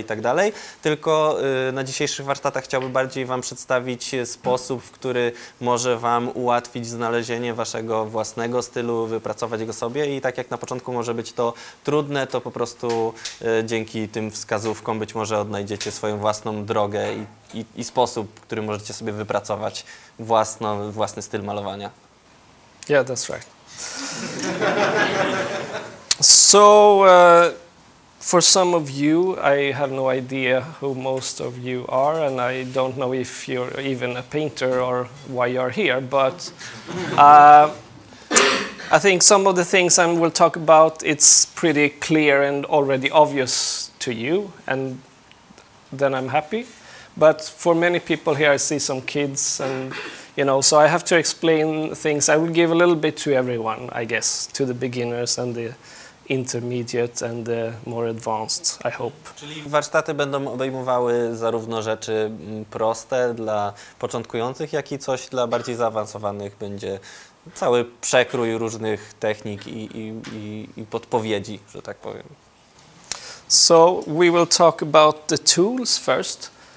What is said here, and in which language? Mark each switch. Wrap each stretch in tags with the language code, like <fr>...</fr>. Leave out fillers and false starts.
<pl>dalej, tylko na dzisiejszych warsztatach chciałby bardziej wam przedstawić sposób, w który może wam ułatwić znalezienie waszego własnego stylu, wypracować go sobie i tak jak na początku może być to trudne, to po prostu dzięki tym wskazówkom być może odnajdziecie swoją własną drogę i sposób, w którym możecie sobie wypracować własny styl malowania.</pl> <en>Yeah, that's right. So, for some of you, I have no idea who most of you are, and I don't know if you're even a painter or why you're here, but I think some of the things I will talk about, it's pretty clear and already obvious to you, and then I'm happy. But for many people here, I see some kids, and you know, so I have to explain things. I will give a little bit to everyone, I guess, to the beginners and the intermediate and the more advanced, I hope.</en> <pl>Czyli warsztaty będą obejmowały zarówno rzeczy proste dla początkujących, jak i coś dla bardziej zaawansowanych. Będzie cały przekrój różnych technik i podpowiedzi, że tak powiem.</pl> <en>So we will talk about the tools first.</en>